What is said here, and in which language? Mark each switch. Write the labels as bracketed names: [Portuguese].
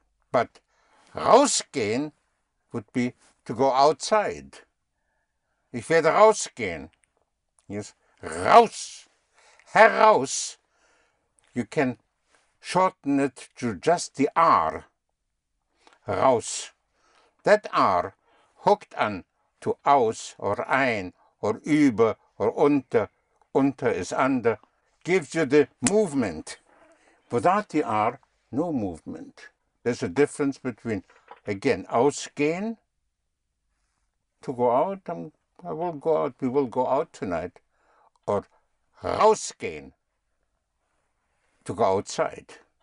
[English] But rausgehen would be to go outside. [German] Ich werde rausgehen. [English] Yes, [German] raus, heraus. [English] You can shorten it to just the R, raus. That R hooked on to aus or ein or über or unter. Unter is under, gives you the movement. Without the R, no movement. There's a difference between, again, ausgehen, to go out, I will go out, we will go out tonight, or rausgehen, to go outside.